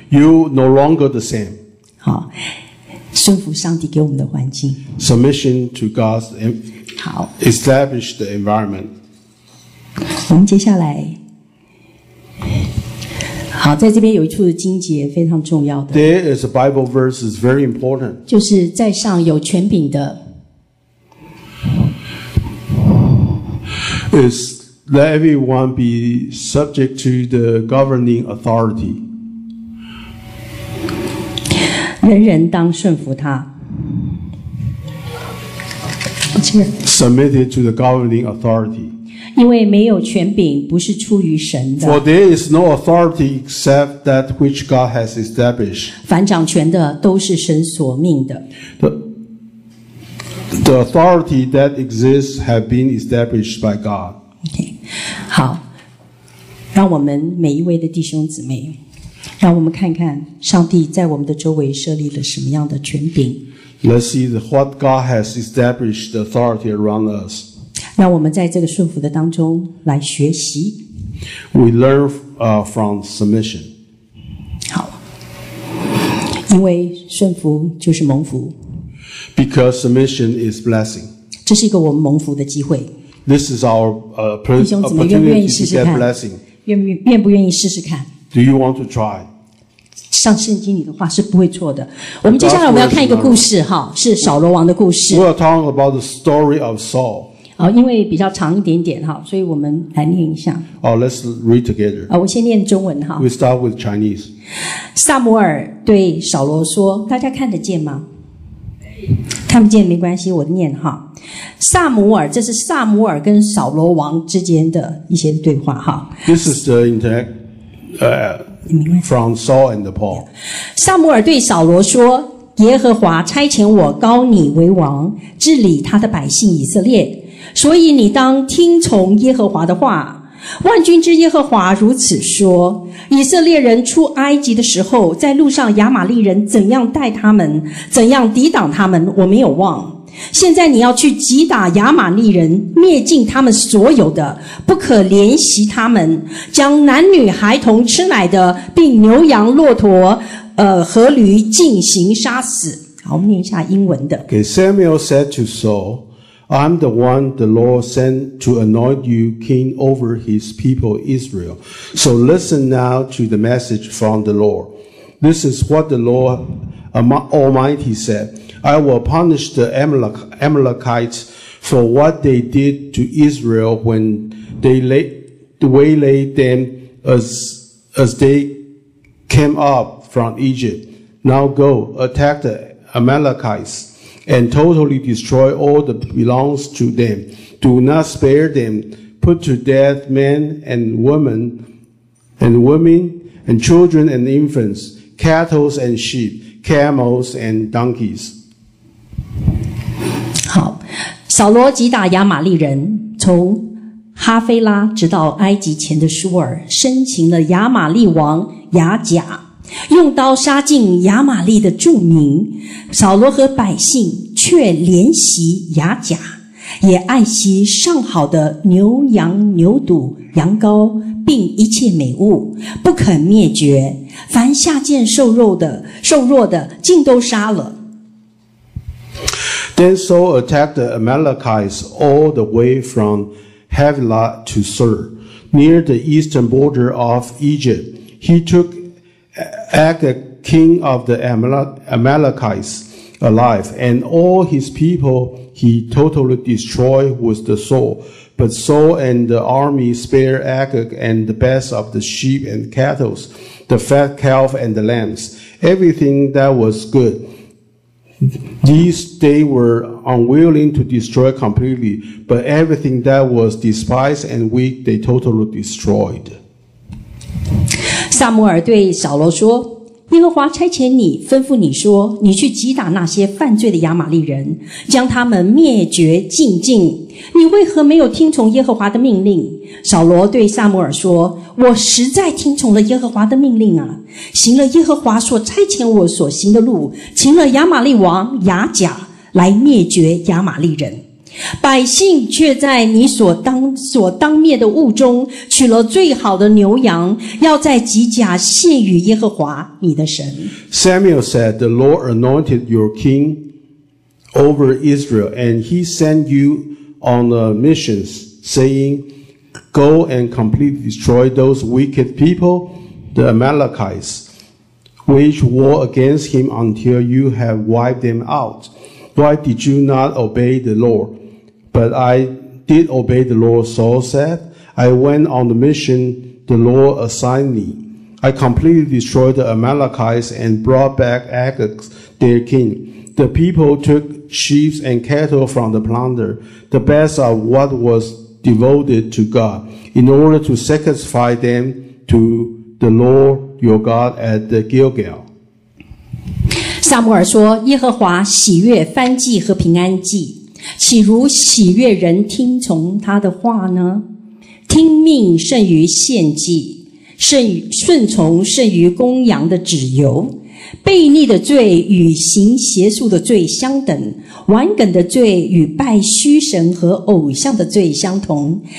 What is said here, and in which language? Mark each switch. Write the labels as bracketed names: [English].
[English] You no longer the same. [Chinese] 好，顺服上帝给我们的环境。 [English] Submission to God's. [Chinese] 好。 [English] Establish the environment. [Chinese] 我们接下来。好，在这边有一处的经节非常重要的。 [English] There is a Bible verse is very important. [Chinese] 就是在上有权柄的。 [English] Is let everyone be subject to the governing authority. [Chinese] 人人当顺服他。 [English] Submitted to the governing authority. [Chinese] 因为没有权柄不是出于神的。 [English] For there is no authority except that which God has established. [Chinese] 凡掌权的都是神所命的。 [English] The authority that exists have been established by God. Okay. [Chinese] 好，让我们每一位的弟兄姊妹，让我们看看上帝在我们的周围设立了什么样的权柄。 [English] Let's see what God has established the authority around us. [Chinese] 让我们在这个顺服的当中来学习。 [English] We learn from submission. [Chinese] 好，因为顺服就是蒙福。 [English] Because submission is blessing. [Chinese] 这是一个我们蒙福的机会。 [English] This is our opportunity to get blessing. [Chinese] 弟兄姊妹，愿不愿意试试看？ [English] Blessing. [Chinese] 愿不愿意试试看？ [English] Do you want to try? [Chinese] 上圣经里的话是不会错的。我们接下来我们要看一个故事，哈，是扫罗王的故事。 [English] We are talking about the story of Saul. [Chinese] 好，因为比较长一点点，所以我们来念一下。 [English] Oh, let's read together. [Chinese] 我先念中文。 [English] We start with Chinese. [Chinese] 撒母耳对扫罗说，大家看得见吗？看不见没关系，我念。撒母耳，这是撒母耳跟扫罗王之间的一些对话。 [English] This is the internet, from Saul and Paul. [Chinese] 撒母耳对扫罗说，耶和华差遣我高你为王，治理他的百姓以色列。所以你当听从耶和华的话。万军之耶和华如此说，以色列人出埃及的时候，在路上亚玛利人怎样待他们，怎样抵挡他们，我没有忘。现在你要去击打亚玛利人，灭尽他们所有的，不可怜惜他们，将男女孩童吃奶的，并牛羊骆驼和驴进行杀死。好，我们念一下英文的。 [English] Okay, Samuel said to Saul,I'm the one the Lord sent to anoint you king over his people Israel. So listen now to the message from the Lord. This is what the Lord Almighty said. I will punish the Amalekites for what they did to Israel when they waylaid them as they came up from Egypt. Now go, attack the Amalekites. And totally destroy all that belongs to them. Do not spare them. Put to death men and women, and women and children and infants, cattle and sheep, camels and donkeys. [Chinese] 好，扫罗击打亚玛利人，从哈菲拉直到埃及前的舒尔生擒了亚玛利王亚甲，用刀杀尽亚玛利的住民，扫罗和百姓却怜惜亚甲，也爱惜上好的牛羊牛犊羊羔并一切美物，不肯灭绝，凡下贱瘦弱的尽都杀了。 [English] Then Saul attacked the Amalekites all the way from Havilah to Sur, near the eastern border of Egypt. He took Agag, king of the Amalekites, alive, and all his people he totally destroyed with the sword. But Saul and the army spared Agag and the best of the sheep and cattle, the fat calf and the lambs, everything that was good. These they were unwilling to destroy completely, but everything that was despised and weak they totally destroyed. [Chinese] 撒母耳对扫罗说，耶和华差遣你，吩咐你说，你去击打那些犯罪的亚玛利人，将他们灭绝尽尽，你为何没有听从耶和华的命令？扫罗对撒母耳说，我实在听从了耶和华的命令啊，行了耶和华所差遣我所行的路，擒了亚玛利王亚甲来灭绝亚玛利人，百姓却在你所当灭的物中取了最好的牛羊，要在基甲献与耶和华你的神。 [English] Samuel said, the Lord anointed your king over Israel, and he sent you on a mission, saying, go and completely destroy those wicked people, the Amalekites, which war against him until you have wiped them out. Why did you not obey the Lord? But I did obey the Lord, Saul said. I went on the mission the Lord assigned me. I completely destroyed the Amalekites and brought back Agag, their king. The people took sheep and cattle from the plunder, the best of what was devoted to God, in order to sacrifice them to the Lord your God at the Gilgal. [Chinese] 撒母耳说，耶和华喜悦燔祭和平安祭，岂如喜悦人听从他的话呢？听命胜于献祭，顺从胜于公羊的脂油。悖逆的罪与行邪术的罪相等，顽梗的罪与拜虚神和偶像的罪相同。